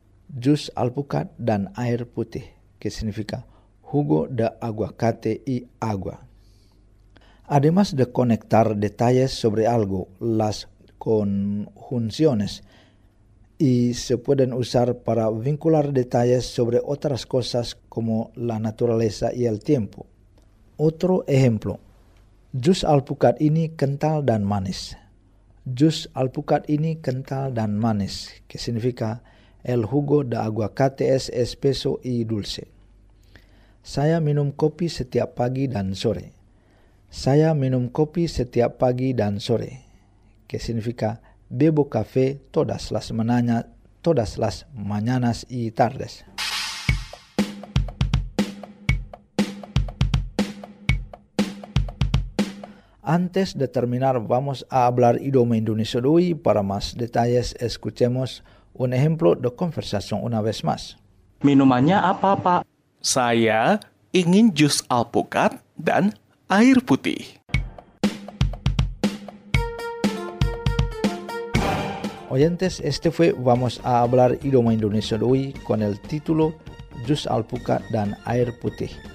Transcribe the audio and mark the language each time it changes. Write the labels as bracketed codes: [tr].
[id] Jus alpukat dan air putih, [es] que significa jugo de aguacate y agua. Además de conectar detalles sobre algo, las conjunciones y se pueden usar para vincular detalles sobre otras cosas como la naturaleza y el tiempo. Otro ejemplo. [id] Jus alpukat ini kental dan manis. Jus alpukat ini kental dan manis, [es] que significa el jugo de aguacate es espeso y dulce. [id] Saya minum kopi setiap pagi dan sore. Saya minum kopi setiap pagi dan sore, [es] que significa bebo café todas las mañanas y tardes. Antes de terminar, vamos a hablar idioma indonesio de hoy. Para más detalles, escuchemos un ejemplo de conversación una vez más. [id] Minumannya apa, Pak? Saya ingin jus alpukat dan air putih. [es] Oyentes, este fue Vamos a hablar idioma indonesio de hoy con el título [id] jus alpukat dan air putih.